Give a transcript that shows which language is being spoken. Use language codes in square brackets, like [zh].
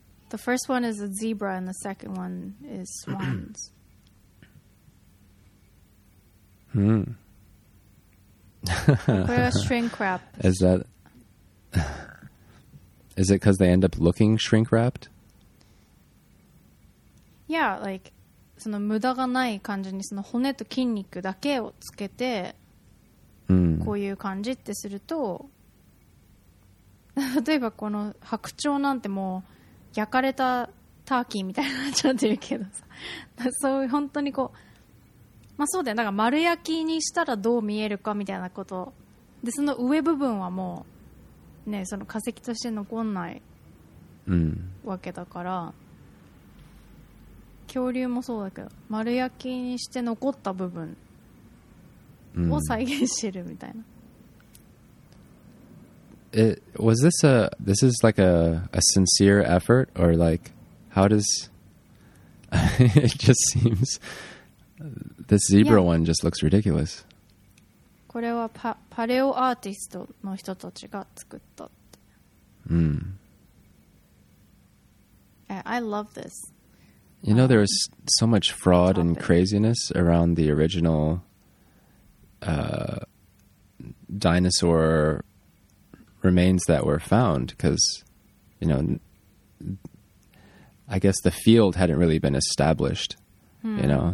[en] The first one is a zebra and the second one is swans. Hmm. What a shrink wrap. Is that... is it because they end up looking shrink wrapped? Yeah, like... [ja] その無駄がない感じにその骨と筋肉だけをつけてこういう感じってすると例えばこの白鳥なんてもう焼かれたターキーみたいになっちゃってるけどさそういう本当にこうまあそうだよだから丸焼きにしたらどう見えるかみたいなことでその上部分はもうねその化石として残んないわけだから恐竜もそうだけど丸焼きにして残った部分を再現してるみたいな、 mm. [en] It, was this a this is like a sincere effort or like how does it just seems this zebra、yeah. one just looks ridiculous [ja] これはパレオアーティストの人たちが作ったって、 mm. [en] I love this You know, there was so much fraud and craziness around the original dinosaur remains that were found, because, you know, I guess the field hadn't really been established, you know?